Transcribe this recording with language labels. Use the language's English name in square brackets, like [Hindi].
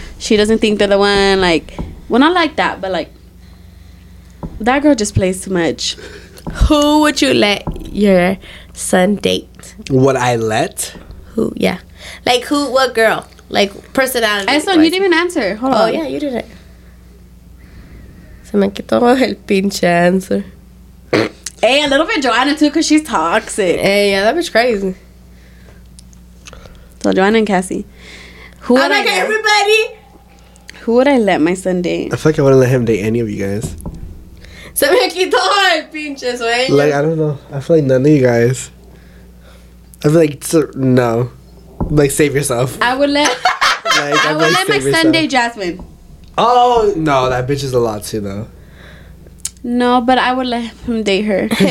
[English] She doesn't think they're the one. Like, well, not like that, but like, that girl just plays too much. Who would you let your son date? Would I let? Who? Yeah. Like, who? What girl? Like, personality. [Spanish] Eso, [English] you didn't even answer. Hold on. Oh, yeah, you did it. [Spanish] Se me quitó el pinche answer. [English] Hey, a little bit Joanna too, because she's toxic. Hey, yeah, that bitch crazy. So Joanna and Cassie. Who would I'm like, everybody. Who would I let my son date? I feel like I wouldn't let him date any of you guys. [Spanish] Se me quitó el pinche sueño. [English] Like, I don't know. I feel like none of you guys. I feel like, no. Like, save yourself. I would let, like, I would like, let my yourself. Son date Jasmine. Oh, no, that bitch is a lot too, though. No, but I would let him date her.